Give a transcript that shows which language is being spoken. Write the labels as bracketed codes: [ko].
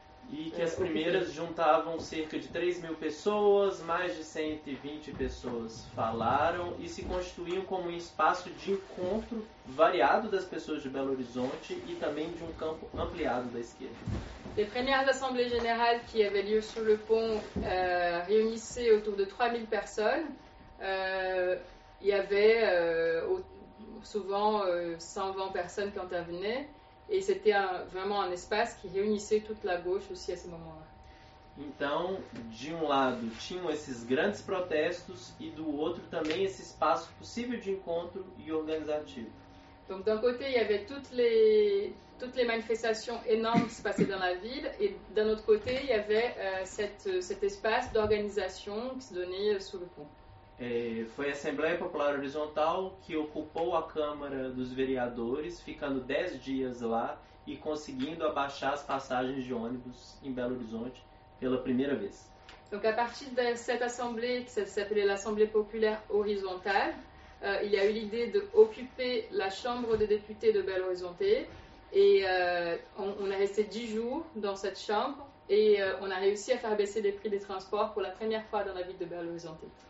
[pt] E que as primeiras juntavam cerca de 3 mil pessoas, mais de 120 pessoas falaram e se constituíam como um espaço de encontro variado das pessoas de Belo Horizonte e também de um campo ampliado da esquerda. [fr] Les premières assemblées générales qui avaient lieu sur le pont réunissaient autour de 3 000 personnes. Il y avait souvent 120 personnes qui intervenaient. Et c'était vraiment un espace qui réunissait toute la gauche aussi à ce moment-là. [pt] Então, de um lado, tinham esses grandes protestos e do outro também esse espaço possível de encontro e organizativo. [fr] Donc d'un côté, il y avait toutes les manifestations énormes qui se passaient dans la ville et d'un autre côté, il y avait cet espace d'organisation qui se donnait sous le pont. [pt] Foi a Assembleia Popular Horizontal que ocupou a Câmara dos Vereadores, ficando 10 dias lá e conseguindo abaixar as passagens de ônibus em Belo Horizonte pela primeira vez. [fr] Donc à partir de cette assemblée, que s'appelait l'Assemblée Populaire Horizontale, il y a eu l'idée de occuper la Chambre des députés de Belo Horizonte et on est resté 10 jours dans cette chambre et on a réussi à faire baisser les prix des transports pour la première fois dans la ville de Belo Horizonte.